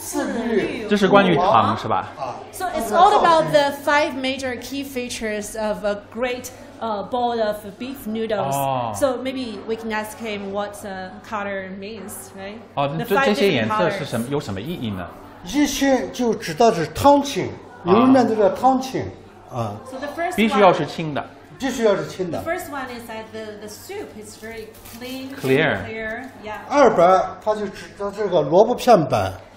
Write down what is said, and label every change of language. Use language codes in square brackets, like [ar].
[zh] 它也就是说是讲究点，也就是一清二白三红四绿五黄，一清就是。这个太复杂了，是什么意思？我不懂。一清二白三红四绿，这是关于糖是吧？So [en] it's all about the five major key features of a great bowl of beef noodles. So maybe we can ask him what color means, right? The five different colors. What is the meaning? [zh] 一清就指的是汤清，牛肉面的这个汤清。 [en] So the first one [zh] 必须要是清的。 [en] The first one is that the soup is very clean. Clear. Yeah. [zh] 二白，它就指的这个萝卜片白。